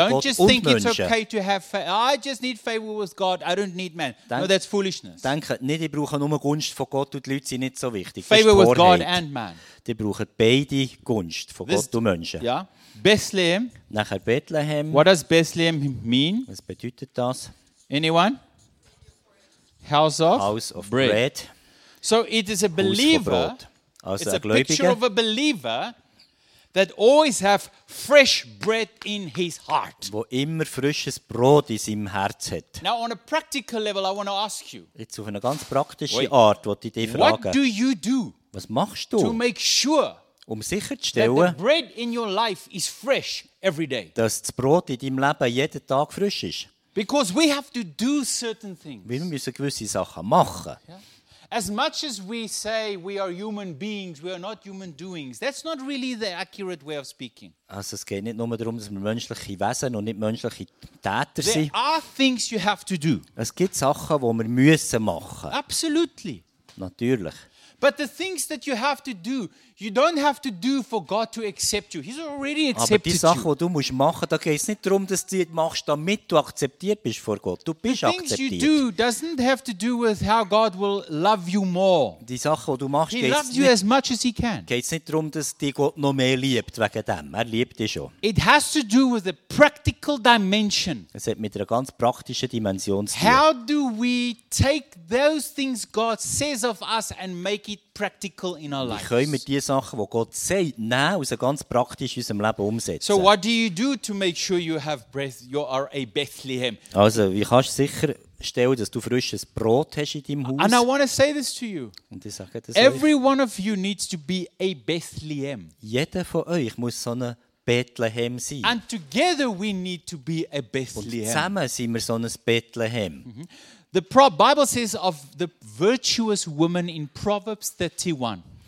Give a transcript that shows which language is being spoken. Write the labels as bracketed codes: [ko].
[en] don't [de] Gott [en] just [de] und [en] think [de] Menschen. [en] It's okay to have I just need favor with God, I don't need man. No, that's foolishness. [de] Denkt nicht, ihr braucht nur Gunst von Gott und die Leute sind nicht so wichtig. [en] Favor with God and man. [de] Ihr braucht beide Gunst von this, Gott und Menschen. [en] Yeah. Bethlehem. [de] Nachher Bethlehem. [en] What does Bethlehem mean? [de] Was bedeutet das? [en] Anyone? House of bread. So it is a believer. [de] Also [en] it's a picture of a believer. That always have fresh bread in his heart. [de] Wo immer frisches Brot in seinem Herz hat. [en] Now on a practical level, I want to ask you. [de] Jetzt auf eine ganz praktische Art, wollte ich dich fragen. [en] What do you do? [de] Was machst du? [en] To make sure. [de] Um sicherzustellen. [en] That the bread in your life is fresh every day. [de] Dass das Brot in deinem Leben jeden Tag frisch ist. [en] Because we have to do certain things. [de] Wir müssen gewisse Sachen machen. [en] Yeah. As much as we say we are human beings, we are not human doings. That's not really the accurate way of speaking. [de] Also es geht nicht nur darum, dass wir menschliche Wesen und nicht menschliche Täter sind. [en] There are things you have to do. [de] Es gibt Sachen, die wir müssen machen. [en] Absolutely. [de] Natürlich. [en] But the things that you have to do, you don't have to do for God to accept you. He's already accepted you. [de] Aber die Sachen, die du musst machen, da geht es nicht darum, dass du das machst, damit du akzeptiert bist vor Gott. Du bist akzeptiert. [en] The things you do doesn't have to do with how God will love you more. [de] Die Sachen, die du machst, [en] he loves you as much as he can. [de] Geht es nicht darum, dass dich Gott noch mehr liebt wegen dem. Er liebt dich schon. [en] It has to do with a practical dimension. [de] Es hat mit einer ganz praktischen Dimension zu tun. [en] How do we take those things God says of us and make it practical in our lives. [de] Wie können wir die Sachen, die Gott sagt, nehmen, also ganz praktisch in unserem Leben umsetzen? [en] So what do you do to make sure you have breath? You are a Bethlehem. [de] Also, wie kannst du sicherstellen, dass du frisches Brot hast in deinem Haus? [en] And I want to say this to you. [de] Und ich sage das [en] Every [de] euch. [en] One of you needs to be a Bethlehem. [de] Jeder von euch muss so ein Bethlehem sein. [en] And together we need to be a Bethlehem. [de] Und zusammen sind wir so ein Bethlehem. Mm-hmm. [en] The Bible says of the virtuous woman in Proverbs 31.